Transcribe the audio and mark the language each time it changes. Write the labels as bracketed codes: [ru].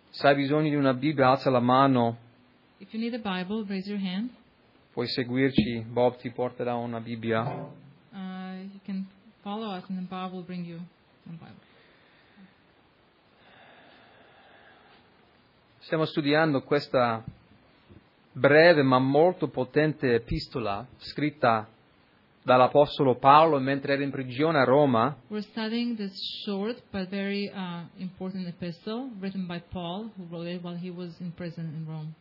[it] Se hai bisogno di una Bibbia, alza la mano. [en] If you need a Bible, raise your hand. [it] Puoi seguirci, Bob ti porterà una Bibbia. [en] You can follow us and Bob will bring you a Bible. [it] Stiamo studiando questa breve ma molto potente epistola scritta dall'Apostolo Paolo mentre era in prigione a Roma. [en] We're studying this short but very important epistle written by Paul, who wrote it while he was in prison in Rome.